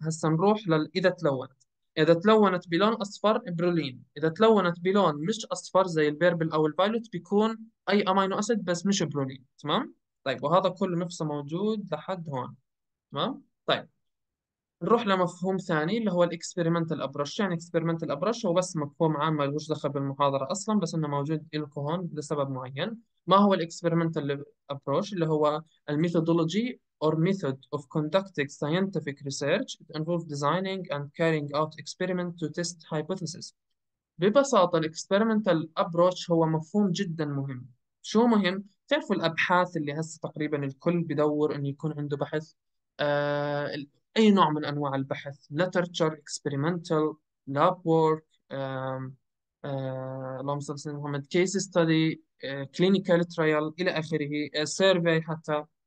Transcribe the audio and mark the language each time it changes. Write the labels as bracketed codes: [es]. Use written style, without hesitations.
[ar] هسا نروح إذا تلونت، إذا تلونت بلون أصفر برولين، إذا تلونت بلون مش أصفر زي البيربل أو الفايلوت بيكون أي أمينو أسيد بس مش برولين. تمام؟ طيب وهذا كله نفسه موجود لحد هون. تمام؟ طيب نروح لمفهوم ثاني اللي هو الإكسبيرمنتال أبروش. يعني إكسبيرمنتال أبروش هو بس مفهوم عام ما لهوش دخل بالمحاضرة أصلاً، بس إنه موجود إلكم هون لسبب معين. ما هو الإكسبيرمنتال أبروش؟ اللي هو الميثودولوجي [en] or method of conducting scientific research that involve designing and carrying out experiments to test hypotheses. [ar] ببساطة الـ experimental approach هو مفهوم جدا مهم. شو مهم؟ تعرفوا الأبحاث اللي هسه تقريبا الكل بدور إنه يكون عنده بحث، أي نوع من أنواع البحث، [en] literature, experimental, lab work، [ar] اللهم صل على محمد، [en] case study، clinical trial [ar] إلى آخره، survey حتى.